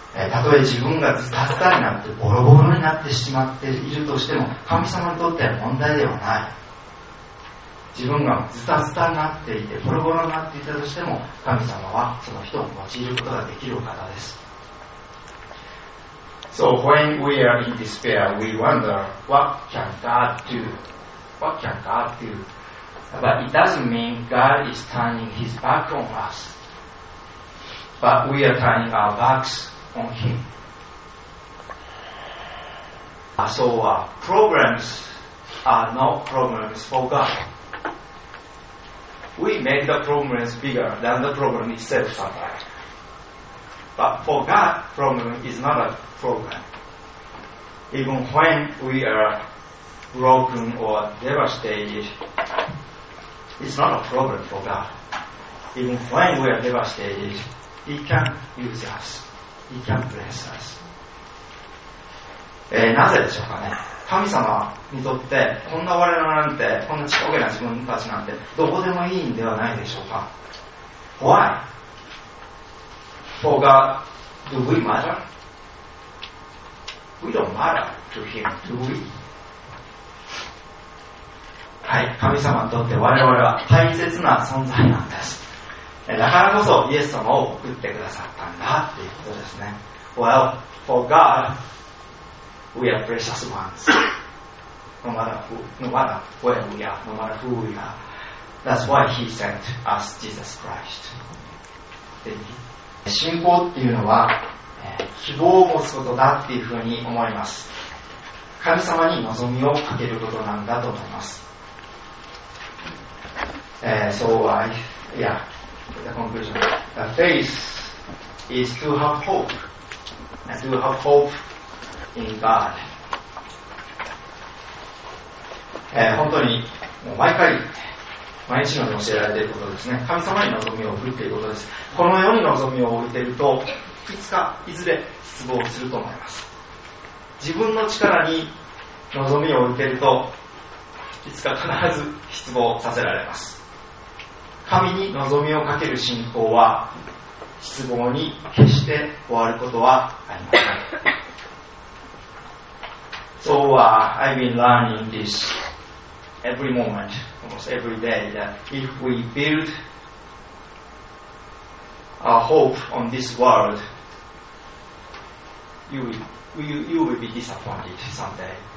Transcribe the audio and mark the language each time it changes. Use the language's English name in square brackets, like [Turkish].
[Japanese] たとえ自分がズタズタになってボロボロになってしまっているとしても、神様にとっては問題ではない。自分がズタズタになっていてボロボロになっていたとしても、神様はその人を用いることができる方です。 [English] So when we are in despair, we wonder what can God do? What can God do? But it doesn't mean God is turning His back on us, but we are turning our backsOn him. So problems are not problems for God. We make the problems bigger than the problem itself sometimes. But for God, problem is not a problem. Even when we are broken or devastated, it's not a problem for God. Even when we are devastated, He can use us. He can bless us. [Japanese] なぜでしょうかね。神様にとってこんな我々なんて、こんなちっぽけな自分たちなんてどこでもいいんではないでしょうか。 [English] Why? For God, do we matter? We don't matter to Him, do we? [Japanese] はい、神様にとって我々は大切な存在なんです。だからこそイエス様を送ってくださったんだっていうことですね。 [English] Well, for God we are precious ones no matter who, no matter where we are, no matter who we are, that's why he sent us Jesus Christ。 [Japanese] 信仰っていうのは希望を持つことだっていうふうに思います。神様に望みをかけることなんだと思います。 [English] So I, yeah, the conclusion. The faith is to have hope, and to have hope in God. [Japanese] 本当にもう毎回毎日のように教えられていることですね。神様に望みを送るということです。この世に望みを置いているといつかいずれ失望すると思います。自分の力に望みを置いているといつか必ず失望させられます。神に望みをかける信仰は失望に決して終わることはありません。 [English] So、I've been learning this every moment, almost every day, that if we build our hope on this world, you will be disappointed someday.